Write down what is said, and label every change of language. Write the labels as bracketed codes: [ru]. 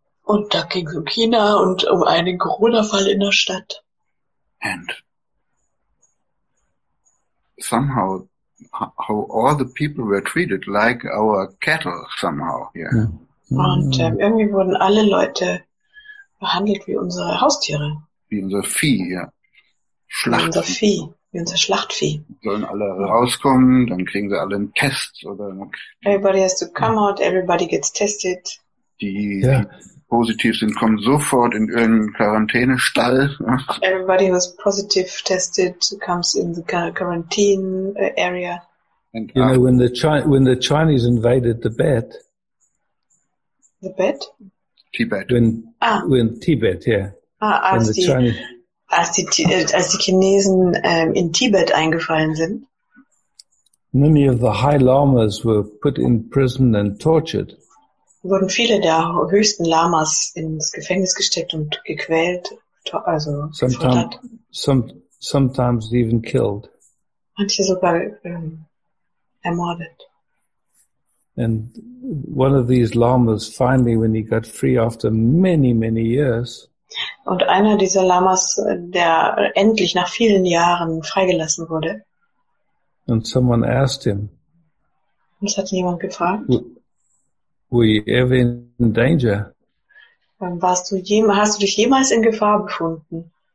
[de] Und da ging es um China und um einen Corona-Fall in der Stadt. [en] And somehow, how all the people were treated like our cattle somehow. Yeah. [de] Und irgendwie wurden alle Leute behandelt wie unsere Haustiere. Wie unser Vieh, ja. Wie unser Schlachtvieh. Sollen alle rauskommen, dann kriegen sie alle einen Test. Oder [en] everybody has to come out, everybody gets tested. [de] Die positiv sind, kommen sofort in irgendeinen Quarantänestall. [en] Everybody who's positive tested comes in the quarantine area. And you know, when the Chinese invaded Tibet. Tibet? Tibet. When Tibet, yeah. Ah, I see. [de] Als die Chinesen in Tibet eingefallen sind. [en] Many of the high lamas were put in prison and tortured. [de] Wurden viele der höchsten Lamas ins Gefängnis gesteckt und gequält, also [en] sometimes even killed. [de] Manche sogar ermordet. [en] And one of these lamas finally, when he got free after many, many years, [de] und einer dieser Lamas, der endlich nach vielen Jahren freigelassen wurde. [en] And someone asked him. [de] Und es hat ihn jemand gefragt. [en] Were you ever in danger? [de] Hast du dich jemals in Gefahr befunden?